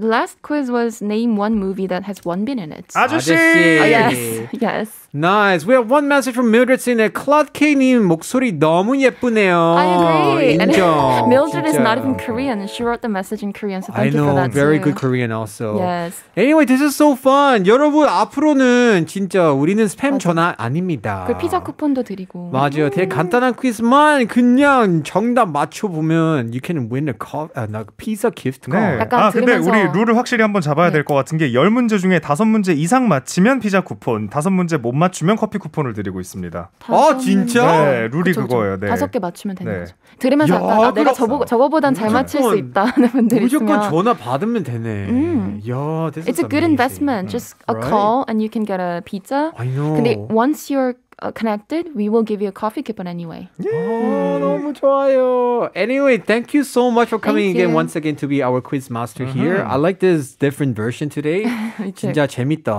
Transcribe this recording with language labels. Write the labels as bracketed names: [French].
[English] The last quiz was name one movie that has one bin in it. [Korean] 아저씨! [English] Yes. Nice. We have one message from Mildred saying that Claude K님 [Korean] 목소리 너무 예쁘네요. [English] I agree. [Korean] 인정. [English] And Mildred is not even Korean. She wrote the message in Korean, so thank you for that too. Very good Korean also. Anyway, this is so fun. [Korean] 여러분, 앞으로는 진짜 우리는 스팸 전화 아닙니다. 그 피자 쿠폰도 드리고. 맞아요. 되게 간단한 퀴즈만 그냥 정답 맞춰보면 [English] you can win a pizza gift card. [Korean] 네. 약간 근데 우리 룰을 확실히 한번 잡아야 될 것 같은 게 10문제 중에 5문제 이상 맞히면 피자 쿠폰, 5문제 못 맞추면 커피 쿠폰을 드리고 있습니다. 아, 진짜? 네, 룰이 그거예요. 네. 5개 맞추면 되는 거죠. 들으면서 야, 아, 내가 저거보단 잘 맞힐 수 있다는 분들이 있으면 무조건 전화 받으면 되네. 야, [English] this is amazing. Good investment. Just a call and you can get a pizza. I know. [Korean] 근데 [English] once you're connected, we will give you a coffee coupon anyway. Yeah, [Korean] 너무 좋아요. [English] Anyway, thank you so much for coming again once again to be our quiz master here. I like this different version today. [Korean] 진짜 재밌다.